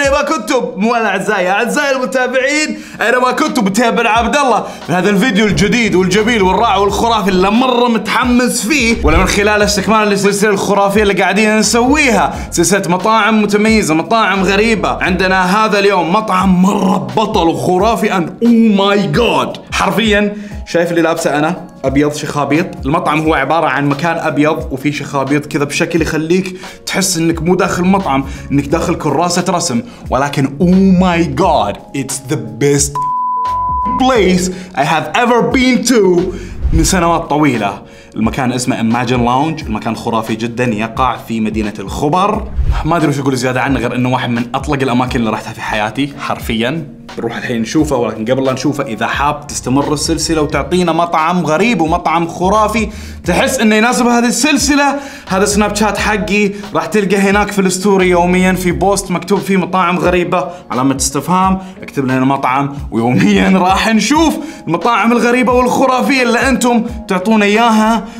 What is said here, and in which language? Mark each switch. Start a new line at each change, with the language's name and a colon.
Arabic: إنما كنتم مولا أعزائي المتابعين، إنما كنتم متيم بن عبد الله في هذا الفيديو الجديد والجميل والرائع والخرافي اللي مرة متحمس فيه، ولا من خلال استكمال السلسلة الخرافية اللي قاعدين نسويها، سلسلة مطاعم متميزة، مطاعم غريبة. عندنا هذا اليوم مطعم مرة بطل وخرافي،
English: أن oh my God,
Arabic: حرفياً شايف اللي لابسه أنا؟ أبيض شخابيط. المطعم هو عبارة عن مكان أبيض وفي شخابيط كذا بشكل يخليك تحس إنك مو داخل مطعم، إنك داخل كراسة رسم. ولكن
English: Oh my God, it's the best place I have ever been to
Arabic: من سنوات طويلة. المكان اسمه Imagine Lounge، المكان خرافي جدا، يقع في مدينة الخبر. ما أدري وش أقول زيادة عنه غير إنه واحد من أطلق الأماكن اللي رحتها في حياتي حرفيا. نروح الحين نشوفه، ولكن قبل لا نشوفه إذا حاب تستمر السلسلة وتعطينا مطعم غريب ومطعم خرافي تحس إنه يناسب هذه السلسلة، هذا سناب شات حقي راح تلقى هناك في الستوري يوميا في بوست مكتوب فيه مطاعم غريبة علامة استفهام، اكتب لنا مطعم ويوميا راح نشوف المطاعم الغريبة والخرافية اللي أنتم تعطونا إياها.